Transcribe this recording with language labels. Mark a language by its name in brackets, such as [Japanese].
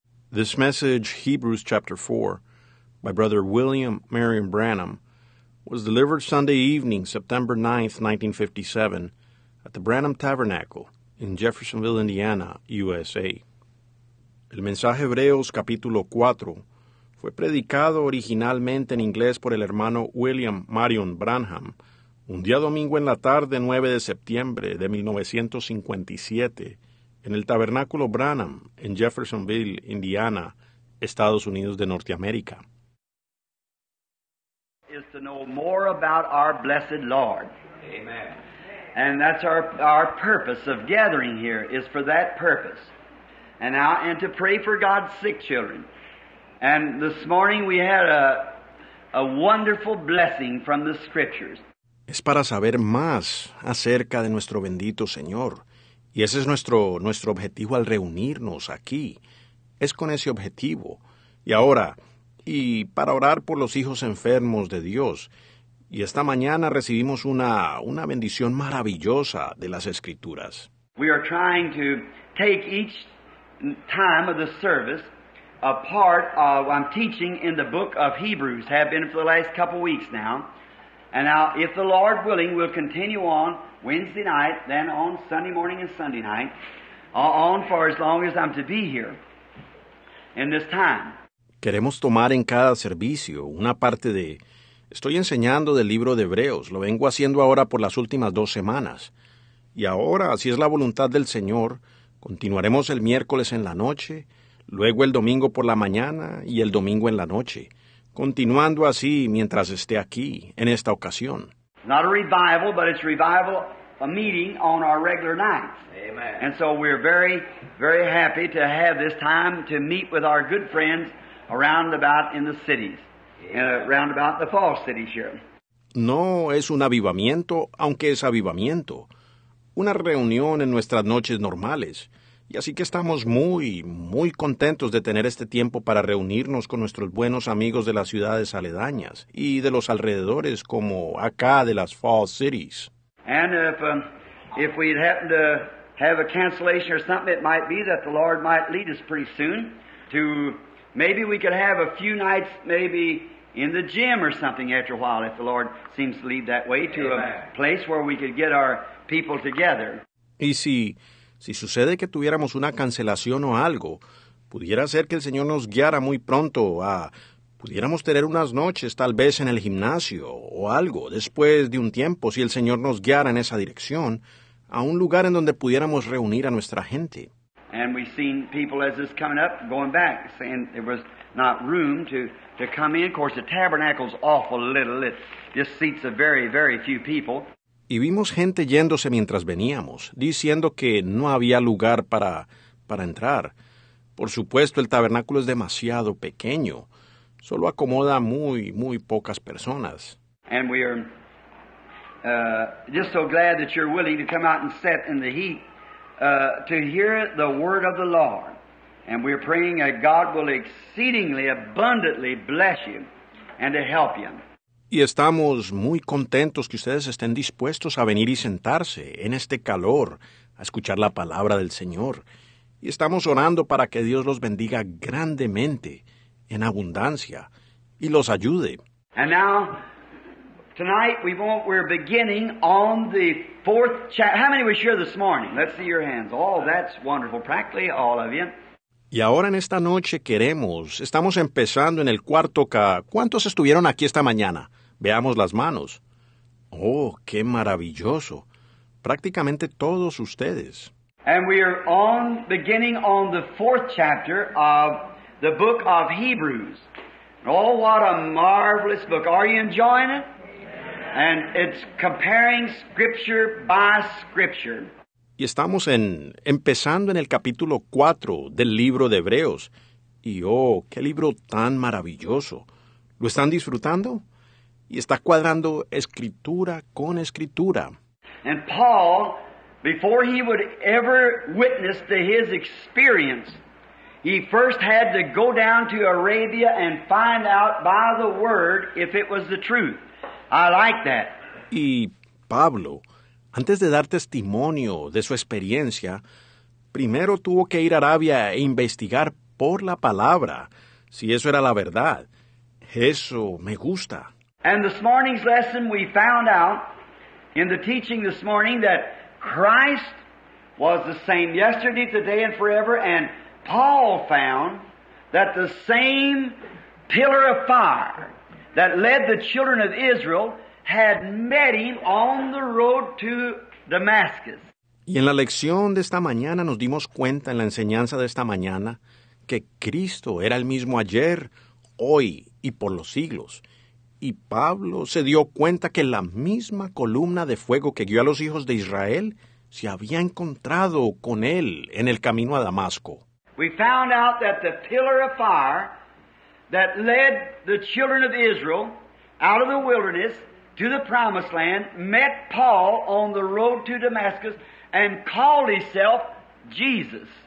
[English] This message, Hebrews chapter 4, by Brother William Marion Branham, was delivered Sunday evening, September 9, 1957, at the Branham Tabernacle in Jeffersonville, Indiana, USA. [Spanish] El mensaje Hebreos capítulo 4 fue predicado originalmente en inglés por el hermano William Marion Branham un día domingo en la tarde 9 de septiembre de 1957. En el Tabernáculo Branham, en Jeffersonville, Indiana, Estados Unidos de Norteamérica. [English] Is to know more about our blessed Lord. Amen. And that's our purpose of gathering here, is for that purpose. And now, and to pray for God's sick children. And this morning we had a wonderful blessing from the Scriptures. [Spanish] Es para saber más acerca de nuestro bendito Señor. Y ese es nuestro objetivo al reunirnos aquí, es con ese objetivo. Y ahora, y para orar por los hijos enfermos de Dios, y esta mañana recibimos una bendición maravillosa de las Escrituras. [English] We are trying to take each time of the service a part of, I'm teaching in the book of Hebrews, have been for the last couple weeks now. And now, if the Lord willing, we'll continue on Wednesday night, then on Sunday morning and Sunday night, on for as long as I'm to be here in this time. [Spanish] Queremos tomar en cada servicio una parte de... Estoy enseñando del libro de Hebreos. Lo vengo haciendo ahora por las últimas 2 semanas. Y ahora, si es la voluntad del Señor, continuaremos el miércoles en la noche, luego el domingo por la mañana y el domingo en la noche, continuando así mientras esté aquí, en esta ocasión. [English] Not a revival, but it's revival, a meeting on our regular nights. Amen. And so we're very, very happy to have this time to meet with our good friends around about in the cities, around about the fall cities here. [Spanish] No es un avivamiento, aunque es avivamiento. Una reunión en nuestras noches normales. Y así que estamos muy, muy contentos de tener este tiempo para reunirnos con nuestros buenos amigos de las ciudades aledañas y de los alrededores, como acá de las Fall Cities. [English] And if we'd happen to have a cancellation or something, it might be that the Lord might lead us pretty soon to maybe we could have a few nights maybe in the gym or something after a while, if the Lord seems to lead that way, to Amen. A place where we could get our people together. [Spanish] Y si sucede que tuviéramos una cancelación o algo, pudiera ser que el Señor nos guiara muy pronto a... Pudiéramos tener unas noches tal vez en el gimnasio o algo, después de un tiempo, si el Señor nos guiara en esa dirección, a un lugar en donde pudiéramos reunir a nuestra gente. [English] And we've seen people as this coming up, going back, saying there was not room to come in. Of course, the tabernacle's awful little. It just seats a very, very few people. [Spanish] Y vimos gente yéndose mientras veníamos, diciendo que no había lugar para entrar. Por supuesto, el tabernáculo es demasiado pequeño. Solo acomoda muy, muy pocas personas. [English] And we are just so glad that you're willing to come out and sit in the heat to hear the word of the Lord. And we're praying that God will exceedingly abundantly bless you and to help you. [Spanish] Y estamos muy contentos que ustedes estén dispuestos a venir y sentarse en este calor a escuchar la palabra del Señor. Y estamos orando para que Dios los bendiga grandemente, en abundancia, y los ayude. [English] And now, tonight we're beginning on the fourth chapter. How many were here this morning? Let's see your hands. Oh, that's wonderful. Practically all of you. [Spanish] Y ahora en esta noche estamos empezando en el cuarto ¿cuántos estuvieron aquí esta mañana? Veamos las manos. ¡Oh, qué maravilloso! Prácticamente todos ustedes. [English] And we are beginning on the fourth chapter of the book of Hebrews. Oh, what a marvelous book. Are you enjoying it? And it's comparing scripture by scripture. [Spanish] Y estamos empezando en el capítulo 4 del libro de Hebreos. Y, oh, qué libro tan maravilloso. ¿Lo están disfrutando? Y está cuadrando escritura con escritura. [English] And Paul, before he would ever witness to his experience, he first had to go down to Arabia and find out by the word if it was the truth. I like that. [Spanish] Y Pablo, antes de dar testimonio de su experiencia, primero tuvo que ir a Arabia e investigar por la palabra, si eso era la verdad. Eso me gusta. [English] And this morning's lesson we found out in the teaching this morning that Christ was the same yesterday, today, and forever, and Paul found that the same pillar of fire that led the children of Israel had met him on the road to Damascus. [Spanish] Y en la lección de esta mañana nos dimos cuenta, en la enseñanza de esta mañana, que Cristo era el mismo ayer, hoy y por los siglos. Y Pablo se dio cuenta que la misma columna de fuego que guió a los hijos de Israel se había encontrado con él en el camino a Damasco. [English] We found out that the pillar of fire that led the children of Israel out of the wilderness to the promised land met Paul on the road to Damascus and called himself Jesus.